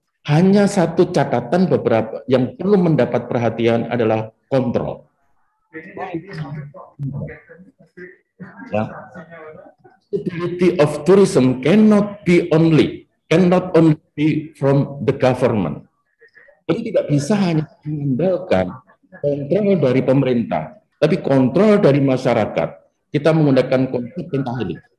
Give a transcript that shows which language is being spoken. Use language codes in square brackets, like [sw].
[id] Hanya satu catatan beberapa yang perlu mendapat perhatian adalah kontrol. Ya. [en] Stability of tourism cannot only be from the government. [id] Ini tidak bisa hanya mengandalkan kontrol dari pemerintah, tapi kontrol dari masyarakat. Kita menggunakan konsep tentang ini.